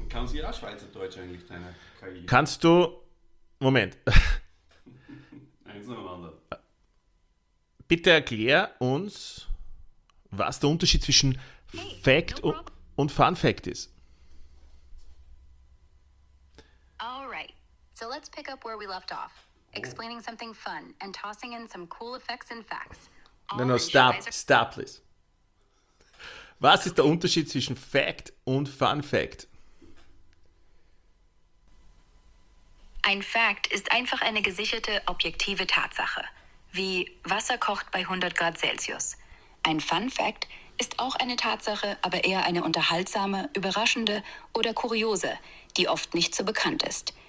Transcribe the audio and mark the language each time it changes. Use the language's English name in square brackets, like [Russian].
[German] Kann sie auch Schweizerdeutsch eigentlich, deine KI? Kannst du, Moment. Eins nacheinander. Bitte erklär uns, was der Unterschied zwischen Fact und Fun Fact ist. [English] Alright, so let's pick up where we left off. explaining something fun and tossing in some cool effects and facts. No, stop, stop, please. [German] Was ist der Unterschied zwischen Fact und Fun Fact? Ein Fact ist einfach eine gesicherte, objektive Tatsache. Wie Wasser kocht bei 100 Grad Celsius. Ein Fun Fact ist auch eine Tatsache, aber eher eine unterhaltsame, überraschende oder kuriose, die oft nicht so bekannt ist.